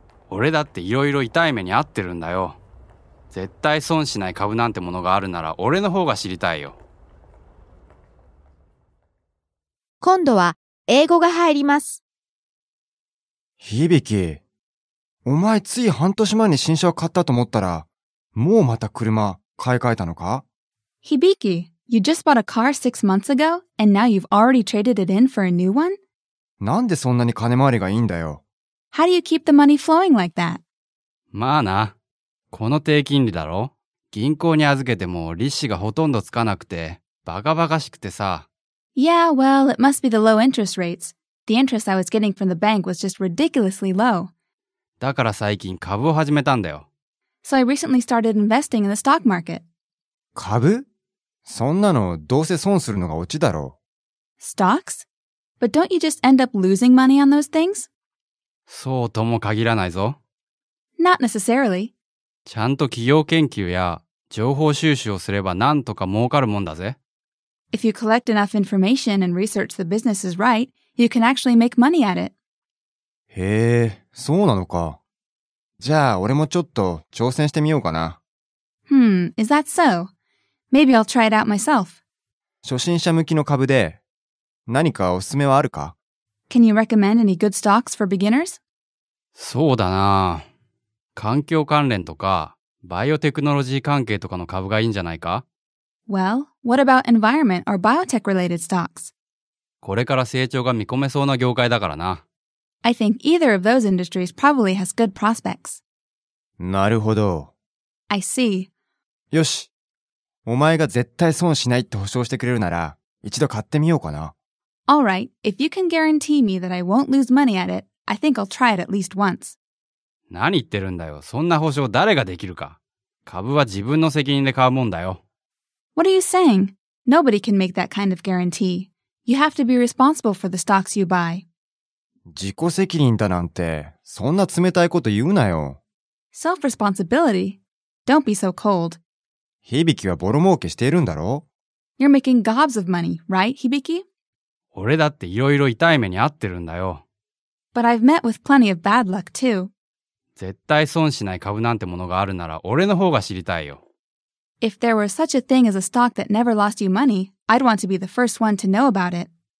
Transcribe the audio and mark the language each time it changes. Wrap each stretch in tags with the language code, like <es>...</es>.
<ja>俺だっていろいろ痛い目に遭ってるんだよ。絶対損しない株なんてものがあるなら俺の方が知りたいよ。今度は英語が入ります。響、お前つい半年前に新車を買ったと思ったらもうまた車買い替えたのか。</ja> <en>響、 You just bought a car 6 months ago and now you've already traded it in for a new one?</en> <ja>なんでそんなに金回りがいいんだよ。</ja> <en>How do you keep the money flowing like that?</en> <ja>まあな、この低金利だろ。銀行に預けても利子がほとんどつかなくてバカバカしくてさ。</ja> <en>Yeah, well, it must be the low interest rates. The interest I was getting from the bank was just ridiculously low.</en> <ja>だから最近株を始めたんだよ。</ja> <en>So I recently started investing in the stock market.</en> <ja>株？そんなのどうせ損するのがオチだろ。</ja> <en>Stocks? But don't you just end up losing money on those things?</en> <ja>そうとも限らないぞ。</ja> <en>Not necessarily.</en> <ja>ちゃんと企業研究や情報収集をすればなんとか儲かるもんだぜ。</ja> <en>If you collect enough information and research the businesses right, you can actually make money at it.</en> <ja>へえ、そうなのか。じゃあ俺もちょっと挑戦してみようかな。</ja> <en>Hmm, is that so? Maybe I'll try it out myself.</en> <ja>初心者向きの株で何かおすすめはあるか?</ja> <en>Can you recommend any good stocks for beginners?</en> <ja>そうだな、環境関連とかバイオテクノロジー関係とかの株がいいんじゃないか?</ja> <en>Well, what about environment or biotech related stocks?</en> <ja>これから成長が見込めそうな業界だからな。</ja> <en>I think either of those industries probably has good prospects.</en> <ja>なるほど。</ja> <en>I see.</en> <ja>よし。お前が絶対損しないって保証してくれるなら、一度買ってみようかな。</ja> <en>All right. If you can guarantee me that I won't lose money at it, I think I'll try it at least once.</en> <ja>何言ってるんだよ。そんな保証誰ができるか。株は自分の責任で買うもんだよ。</ja> <en>What are you saying? Nobody can make that kind of guarantee. You have to be responsible for the stocks you buy.</en> <ja>自己責任だなんて、そんな冷たいこと言うなよ。</ja> <en>Self-responsibility? Don't be so cold.</en> <ja>響きはボロ儲けしているんだろ?</ja> <en>You're making gobs of money, right, 響き?</en> <ja>俺だっていろいろ痛い目に遭ってるんだよ。</ja> <en>But I've met with plenty of bad luck, too.</en> <ja>絶対損しない株なんてものがあるなら、俺の方が知りたいよ。</ja> <en>If there were such a thing as a stock that never lost you money, I'd want to be the first one to know about it.</en>